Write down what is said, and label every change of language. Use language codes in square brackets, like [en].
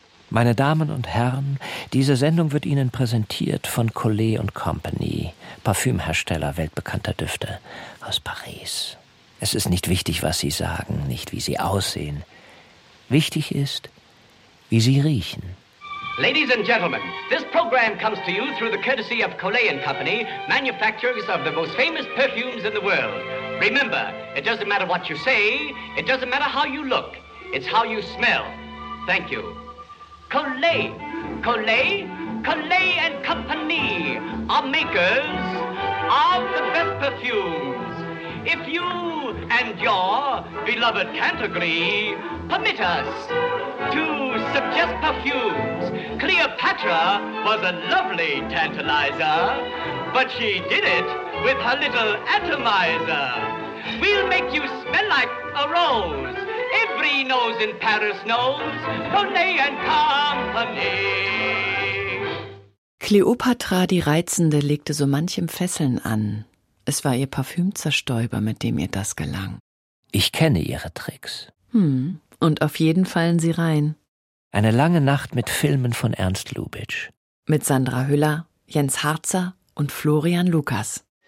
[de] Meine Damen und Herren, diese Sendung wird Ihnen präsentiert von Collet & Company, Parfümhersteller weltbekannter Düfte aus Paris. Es ist nicht wichtig, was Sie sagen, nicht wie Sie aussehen. Wichtig ist, wie Sie riechen. [en] Ladies and gentlemen, this program comes to you through the courtesy of Collet & Company, manufacturers of the most famous perfumes in the world. Remember, it doesn't matter what you say, it doesn't matter how you look, it's how you smell. Thank you. Collet, Collet, Collet and Company are makers of the best perfumes. If you and your beloved can't agree, permit us to suggest perfumes. Cleopatra was a lovely tantalizer, but she did it with her little atomizer. We'll make you smell like a rose. Every nose in Paris knows, Collet and Company. [de] Kleopatra, die Reizende, legte so manchem Fesseln an. Es war ihr Parfümzerstäuber, mit dem ihr das gelang. Ich kenne ihre Tricks. Und auf jeden fallen sie rein. Eine lange Nacht mit Filmen von Ernst Lubitsch. Mit Sandra Hüller, Jens Harzer und Florian Lukas.